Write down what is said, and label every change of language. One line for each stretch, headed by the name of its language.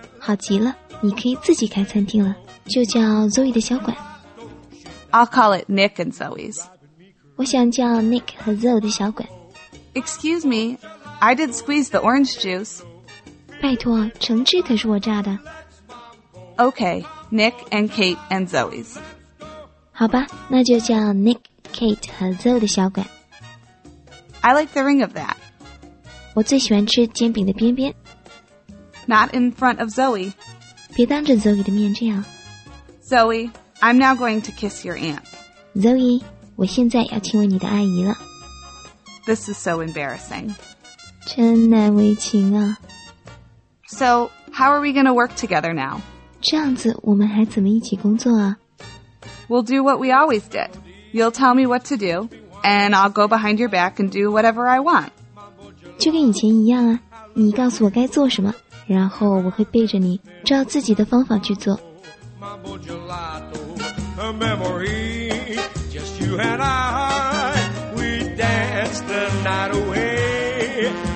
Chinese: 好极了，你可以自己开餐厅了，就叫 Zoe 的小馆。
English: I'll call it Nick and Zoe's.
Chinese: 我想叫 Nick 和 Zoe 的小馆。
English: Excuse me, I did squeeze the orange juice.
Chinese: 拜托，橙汁可是我榨的。
English: Okay, Nick and Kate and Zoe's.
Chinese: 好吧，那就叫 Nick, Kate 和 Zoe 的小馆。
English: I like the ring of that.
Chinese: 我最喜欢吃煎饼的边边。
English: Not in front of Zoe.
Chinese: 别当着 Zoe 的面这样。
English: Zoe, I'm now going to kiss your aunt.
Chinese: Zoe, 我现在要亲吻你的阿姨了。
English: This is so embarrassing.
Chinese: 真难为情啊。
English: So, how are we going to work together now?
Chinese: 这样子我们还怎么一起工作啊?
English: We'll do what we always did. You'll tell me what to do, and I'll go behind your back and do whatever I want.
Chinese: 就跟以前一样啊,你告诉我该做什么,然后我会背着你,照自己的方法去做。
English: Mambo gelato, a memory, just you and I, we danced the night away.